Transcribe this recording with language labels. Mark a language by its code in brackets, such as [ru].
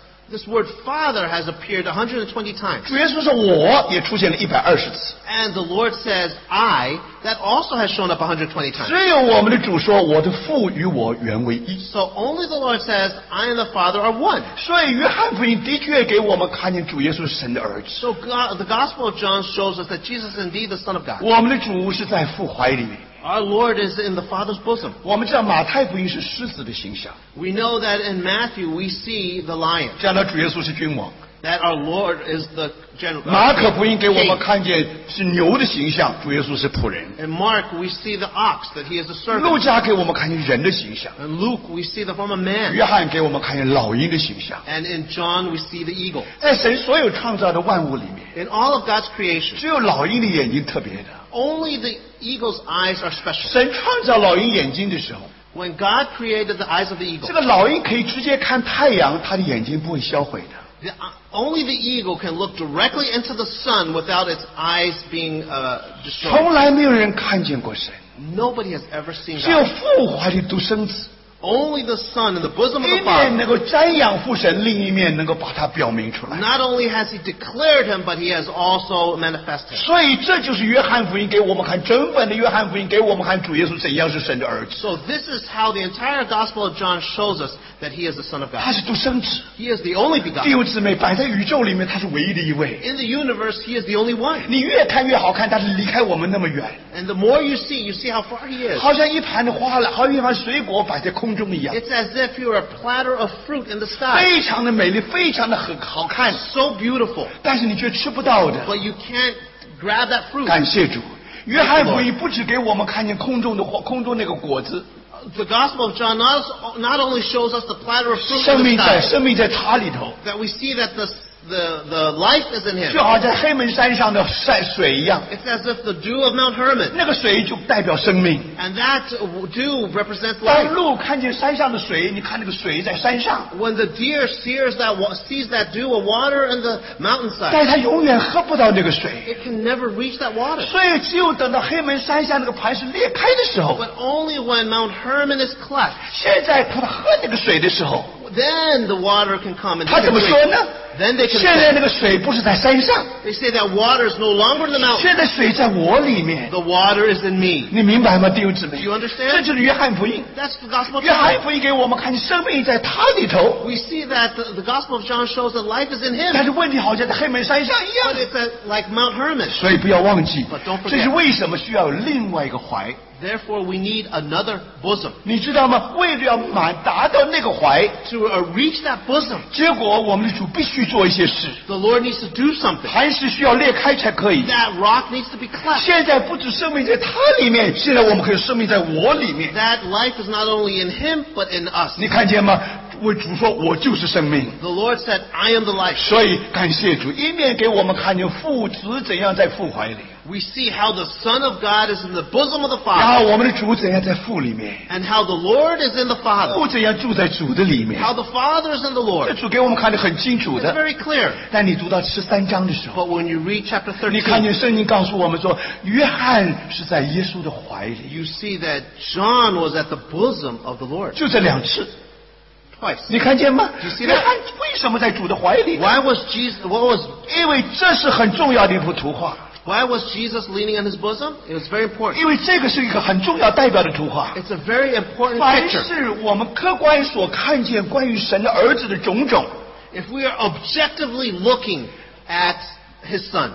[en] This word Father has appeared 120 times. [zh] 主耶稣说我也出现了120次。 [en] And the Lord says, I, that also has shown up 120 times. [zh] 只有我们的主说我的父与我原为一。 [en] So only the Lord says, I and the Father are one. [zh] 所以约翰福音的确给我们看见主耶稣是神的儿子。 [en] So the Gospel of John shows us that Jesus is indeed the Son of God. [zh] 我们的主是在父怀里面。 [en] Our Lord is in the Father's bosom. [zh] 我们知道马太福音是狮子的形象。 [en] We know that in Matthew we see the lion. [zh] 讲到主耶稣是君王。 [en] That our Lord is the general. [zh] 马可福音给我们看见是牛的形象, 主耶稣是仆人。 [en] And Mark we see the ox, that he is a servant. [zh] 路加给我们看见人的形象。 [en] And Luke we see the form of man. [zh] 约翰给我们看见老鹰的形象。 [en] And in John we see the eagle. [zh] 在神所有创造的万物里面, [en] in all of God's creation, [zh] 只有老鹰的眼睛特别的。 [en] Only the eagle's eyes are special. [zh] 神创造老鹰眼睛的时候, [en] When God created the eyes of the eagle, [zh] 这个老鹰可以直接看太阳，它的眼睛不会销毁的。 [en] Only the eagle can look directly into the sun without its eyes being destroyed. [zh] 从来没有人看见过神。 [en] Nobody has ever seen God. [zh] 只有父怀里独生子。 [en] Only the Son in the bosom of the Father. [zh] 一面能够瞻仰父神，另一面能够把它表明出来。 [en] Not only has He declared Him, but He has also manifested. [zh] 所以这就是约翰福音给我们看，整本的约翰福音给我们看主耶稣怎样是神的儿子。 [en] So this is how the entire Gospel of John shows us that He is the Son of God. [zh] 他是独生子。 [en] He is the only begotten. [zh] 弟兄姊妹，摆在宇宙里面，他是唯一的一位。 [en] In the universe, He is the only one. [zh] 你越看越好看，但是离开我们那么远。 [en] And the more you see how far He is. [zh] 好像一盘的花，好像一盘水果摆在空。 [en] It's as if you're a platter of fruit in the sky. [zh] 非常的美丽，非常的很好看。 [en] So beautiful. [zh] 但是你却吃不到的。 [en] But you can't grab that fruit. [zh] 感谢主，约翰福音不只给我们看见空中的花，空中那个果子。 [en] The Gospel of John not only shows us the platter of fruit. [zh] 生命在，生命在它里头。 [en] That we see that the life is in Him. [zh] 就好像黑门山上的晒水一样。 [en] It's as if the dew of Mount Hermon. [zh] 那个水就代表生命。 [en] And that dew represents life. [zh] 当鹿看见山上的水，你看那个水在山上。 [en] When the deer sees that dew of water in the mountainside. [zh] 但它永远喝不到那个水。 [en] It can never reach that water. [zh] 所以只有等到黑门山下那个磐石裂开的时候。 [en] But only when Mount Hermon is cleft. [zh] 现在它喝那个水的时候。 [en] Then the water can come and drink. [zh] 它怎么说呢？ [en] Then they can [zh] 现在那个水不是在山上。 [en] They say that water is no longer in the mountain. [zh] 现在水在我里面。 [en] The water is in me. [zh] 你明白吗，弟兄姊妹？ [en] Do you understand? [zh] 这就是约翰福音。 [en] That's the Gospel of [zh] John. 约翰福音给我们看见生命在他里头。 [en] We see that the Gospel of John shows that life is in him. [zh] 但是问题好像在黑门山上一样。 [en] But it's like Mount Hermon. [zh] 所以不要忘记。 [en] But don't forget. [zh] 这是为什么需要有另外一个怀。 [en] Therefore, we need another bosom. [zh] 你知道吗？为了要满达到那个怀 [en] ，to reach that bosom. [zh] 结果我们的主必须做一些事。 [en] The Lord needs to do something. [zh] 磐石需要裂开才可以。 [en] That rock needs to be cleft. [zh] 现在不止生命在他里面，现在我们可以生命在我里面。 [en] That life is not only in Him but in us. [zh] 你看见吗？为主说，我就是生命。 [en] The Lord said, "I am the life." [zh] 所以感谢主，一面给我们看见父子怎样在父怀里。 [en] We see how the Son of God is in the bosom of the Father. [zh] 然后我们的主怎样在父里面。 [en] And how the Lord is in the Father. [zh] 父怎样住在主的里面。 [en] How the Father is in the Lord. [zh] 这主给我们看得很清楚的。 [en] It's very clear. [zh] 但你读到十三章的时候。 [en] But when you read chapter 13. [zh] 你看见圣经告诉我们说，约翰是在耶稣的怀里。 [en] You see that John was at the bosom of the Lord. [zh] 就这两次。 [en] Twice. [zh] 你看见吗？约翰为什么在主的怀里？ [en] Why was Jesus, what was, [zh] 因为这是很重要的一幅图画。 [en] Why was Jesus leaning on his bosom? It was very important. [zh] 因为这个是一个很重要代表的图画。 [en] It's a very important picture. [zh] 凡是我们客观所看见关于神的儿子的种种。 [en] If we are objectively looking at his son.